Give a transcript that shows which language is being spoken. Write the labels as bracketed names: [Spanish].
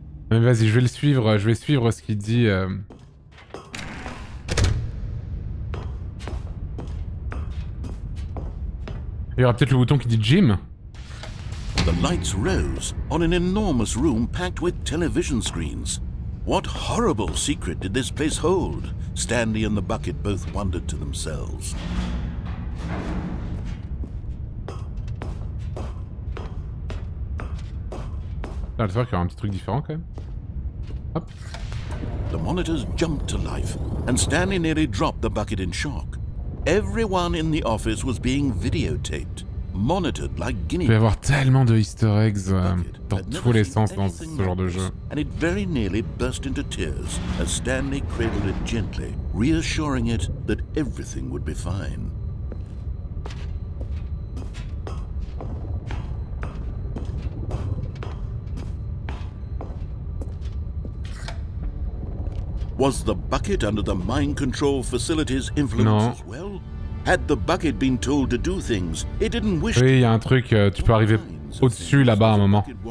[French] Mais vas-y, je vais le suivre, je vais suivre ce qu'il dit. Il y aura peut-être le bouton qui dit Jim. [English] The lights rose on an enormous room packed with television screens. What horrible secret did this place hold? Stanley and the bucket both wondered to themselves. [French] Ah, c'est vrai qu'il y a un petit truc différent quand même. Hop. [English] The monitors jumped to life, and Stanley nearly dropped the bucket in shock. Everyone in the office was being videotaped. Monitored like guinea. [French] Il peut y avoir tellement de easter eggs dans tous les sens dans ce genre de jeu. [English] And it very nearly burst into tears as Stanley cradled it gently, reassuring it that everything would be fine. Was the bucket under the mind control facility's influence as well? Had the bucket been told to do things, it didn't wish to... [French] Oui, il y a un truc, tu peux arriver au-dessus, là-bas, à un moment.